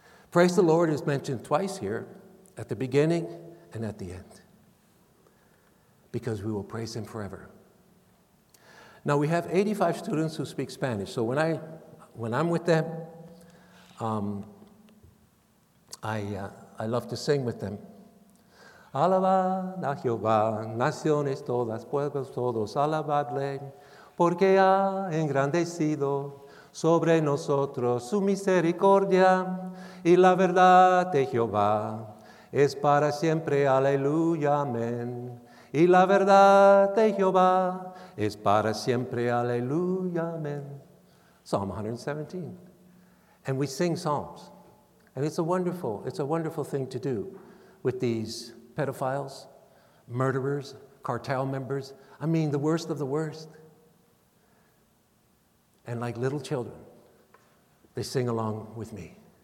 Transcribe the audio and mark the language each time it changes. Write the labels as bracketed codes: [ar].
[en] Praise the Lord is mentioned twice here, at the beginning and at the end, because we will praise Him forever. Now we have 85 students who speak Spanish, so when I'm with them, I love to sing with them. [es] Alabad a Jehová, naciones todas, pueblos todos, alabadle, porque ha engrandecido sobre nosotros su misericordia, y la verdad de Jehová es para siempre, aleluya, amén. Y la verdad de Jehová es para siempre, aleluya, amén. [en] Psalm 117. And we sing psalms. And it's a wonderful thing to do with these pedophiles, murderers, cartel members. I mean, the worst of the worst. And like little children, they sing along with me.